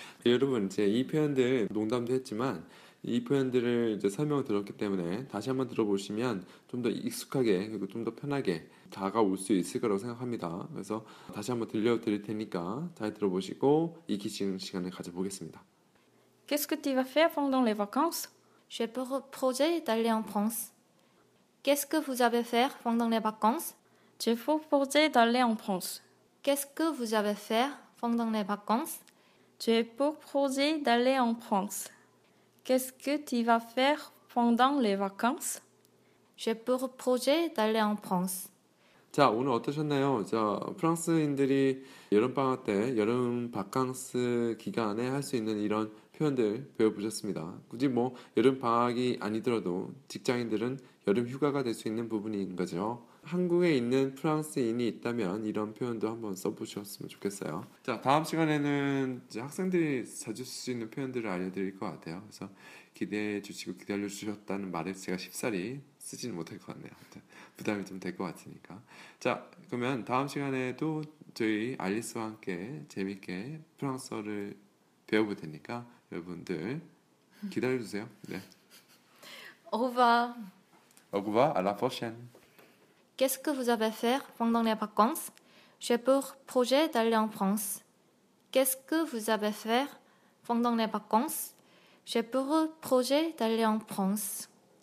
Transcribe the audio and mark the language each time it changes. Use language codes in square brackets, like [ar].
[ko] 여러분 이제 이 표현들 농담도 했지만 이 표현들을 이제 설명을 들었기 때문에 다시 한번 들어보시면 좀 더 익숙하게 그리고 좀 더 편하게 다가올 수 있을 거라고 생각합니다. 그래서 다시 한번 들려드릴 테니까 잘 들어보시고 익히시는 시간을 가져보겠습니다. [fr] Qu'est-ce que tu vas faire pendant les vacances? J'ai pour projet d'aller en France. Qu'est-ce que vous avez faire pendant les vacances? J'ai pour projet d'aller en France. Qu'est-ce que vous avez fait pendant les vacances? J'ai pour projet d'aller en France. Qu'est-ce que tu vas faire pendant les vacances? J'ai pour projet d'aller en France. [ko] 자, 오늘 어떠셨나요? 자, 프랑스인들이 여름방학 때, 여름 바캉스 기간에 할 수 있는 이런 표현들 배워보셨습니다. 굳이 뭐 여름방학이 아니더라도 직장인들은 여름휴가가 될 수 있는 부분인 거죠. 한국에 있는 프랑스인이 있다면 이런 표현도 한번 써보셨으면 좋겠어요. 자, 다음 시간에는 이제 학생들이 자주 쓸 수 있는 표현들을 알려드릴 것 같아요. 그래서 기대해 주시고 기다려주셨다는 말을 제가 쉽사리 쓰지는 못할 것 같네요. 부담이 좀 될 것 같으니까. 자, 그러면 다음 시간에도 저희 알리스와 함께 재밌게 프랑스어를 배워볼 테니까 여러분들 기다려주세요. 네. [fr] Au revoir. Au revoir. À la prochaine. Qu'est-ce que vous avez fait pendant les vacances? J'ai pour projet d'aller en France. Qu'est-ce que vous avez fait pendant les vacances? J'ai pour projet d'aller en France.